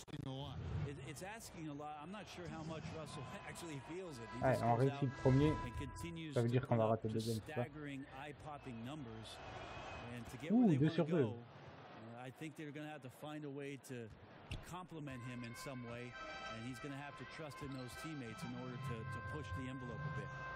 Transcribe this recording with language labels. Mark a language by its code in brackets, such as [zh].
[en] I'm not sure how much Russell actually feels it. [fr] Ouais, on réussit le premier, ça veut dire qu'on va rater le deuxième. [en] Staggering, eye-popping numbers. And to get where they want to go, I think they're going to have to find a way to compliment him in some way, and he's going to have to trust in those teammates in order to push the envelope a bit.